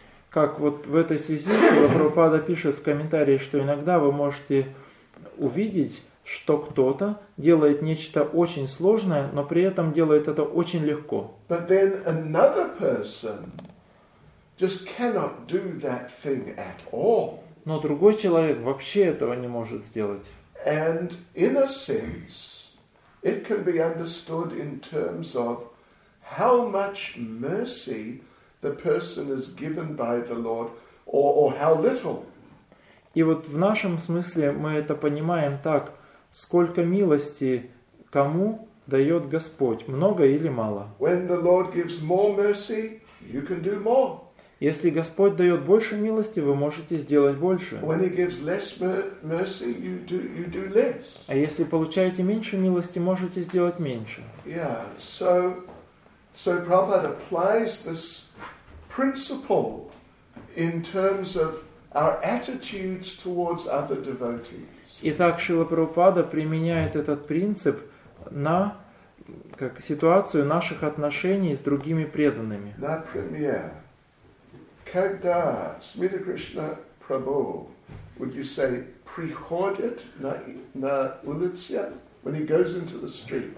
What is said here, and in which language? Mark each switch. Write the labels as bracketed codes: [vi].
[ru] Как вот в этой связи Прабхупада пишет в комментарии, что иногда вы можете увидеть, что кто-то делает нечто очень сложное, но при этом делает это очень легко. [en] But then another person just cannot do that thing at all. [ru] Но другой человек вообще этого не может сделать. [en] And in a sense, It can be understood in terms of how much mercy the person is given by the Lord, or how little. [ru] И вот в нашем смысле мы это понимаем так, сколько милости кому дает Господь, много или мало. [en] When the Lord gives more mercy, you can do more. [ru] Если Господь дает больше милости, вы можете сделать больше. [en] When he gives less mercy, you do less. [ru] А если получаете меньше милости, можете сделать меньше. [en] Yeah, so Prabhupada applies this principle in terms of our attitudes towards other devotees. [ru] Итак, Шрила Прабхупада применяет этот принцип на как ситуацию наших отношений с другими преданными. Например, когда Смита Кришна Прабху, [en] would you say, [ru] приходит на улицу, [en] when he goes into the street,